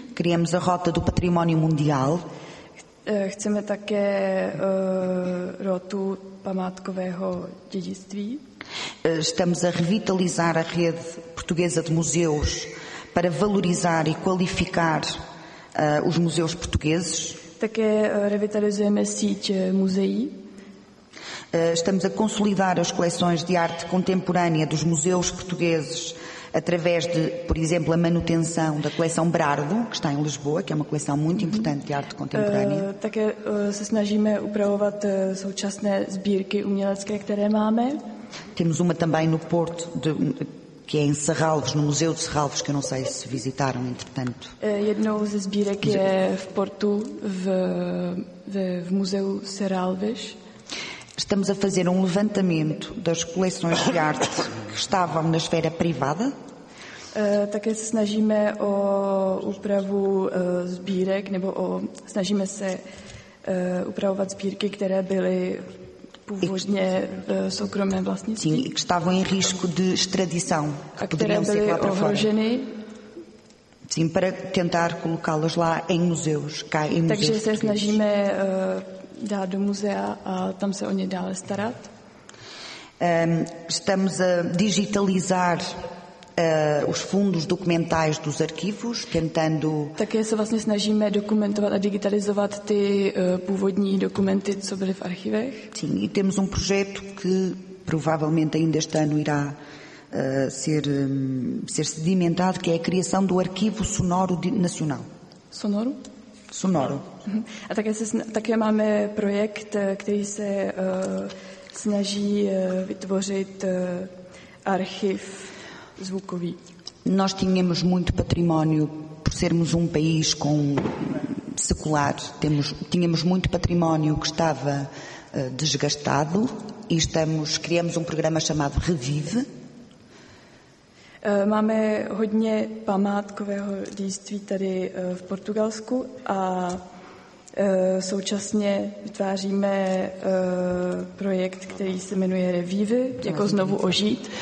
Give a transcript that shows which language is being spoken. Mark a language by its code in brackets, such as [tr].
[pt] Criamos a rota do património mundial. [cs] Chceme také rotu památkového dědictví. [pt] Estamos a revitalizar a rede portuguesa de museus para valorizar e qualificar os museus portugueses. [cs] Také revitalizujeme síť muzeí. [pt] Estamos a consolidar as coleções de arte contemporânea dos museus portugueses através de, por exemplo, a manutenção da coleção Brardo, que está em Lisboa, que é uma coleção muito importante de arte contemporânea. [cs] Také se snažíme upravovat současné sbírky umělecké, které máme. [pt] Temos uma também no Porto, que é em Serralves, no Museu de Serralves, que eu não sei se visitaram, entretanto. [cs] Jednou ze sbírek je v Portu, v Museu Serralves. [pt] Estamos a fazer um levantamento das coleções de arte que estavam na esfera privada. [cs] Také se snažíme o úpravu sbírek, nebo snažíme se upravovat sbírky, které byly původně soukromé vlastnictví. [pt] Sim, que estavam em risco de extradição. [cs] A které byly ohroženy. [pt] Sim, para tentar colocá-las lá em museus. [cs] Takže se snažíme dát do muzea a tam se o ně dále starat. [pt] Estamos a digitalizar os fundos documentais dos arquivos, tentando... [cs] Také se vlastně snažíme dokumentovat a digitalizovat ty původní dokumenty, co byly v archivech. [pt] Sim, e temos um projeto que provavelmente ainda este ano irá ser sedimentado, que é a criação do Arquivo Sonoro Nacional. Sonoro? Sonoro. [cs] A také máme projekt, který se snaží vytvořit archiv zvukový. [pt] Nós tínhamos muito património por sermos um país com secular. Tínhamos muito património que estava desgastado e criamos um programa chamado Revive. [cs] Máme hodně památkového dědictví tady v Portugalsku a Současně vytváříme projekt, který se jmenuje Revive, jako znovu ožít.